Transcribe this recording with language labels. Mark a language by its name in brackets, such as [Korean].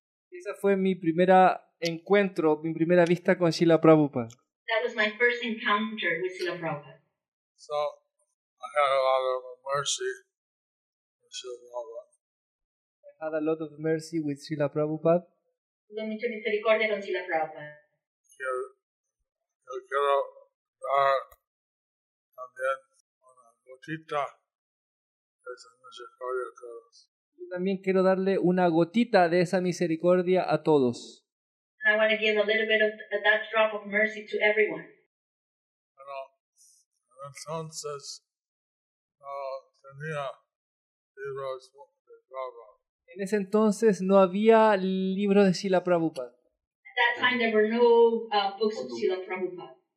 [Spanish] Esa fue mi primera encuentro, mi primera vista con Srila Prabhupada. [English] That was my first encounter with Srila Prabhupada. So, I had a lot of mercy with Srila Prabhupada. I had a lot of mercy with Srila Prabhupada. [Spanish] Tuve mucha misericordia con Srila Prabhupada. Yo quiero dar también una gotita de esa misericordia a todos. Yo también quiero darle una gotita de esa misericordia a todos. [English] I want to give a little bit of that drop of mercy to everyone. [Spanish] Bueno, entonces tenía libros de Prabhupada. En ese entonces no había libros de Srila Prabhupada. [English] At that time there were no books of Srila Prabhupada.